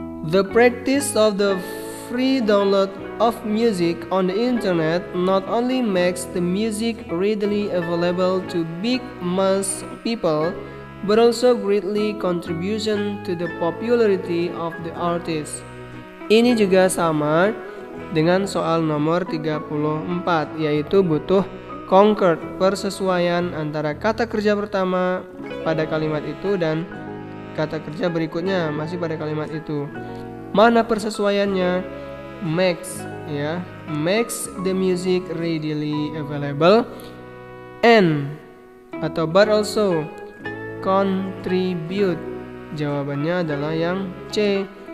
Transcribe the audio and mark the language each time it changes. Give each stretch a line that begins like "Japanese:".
English: The practice of the free download of music on the internet not only makes the music readily available to big mass people, but also greatly contributes to the popularity of the artist.
Indonesian: Ini juga sama dengan soal nomor 34, yaitu butuh concord, persesuaian antara kata kerja pertama pada kalimat itu dan kata kerja berikutnya masih pada kalimat itu. Mana persesuaiannya?
English: Makes, ya, makes the music readily available and atau but also contribute.
Indonesian: Jawabannya adalah yang C.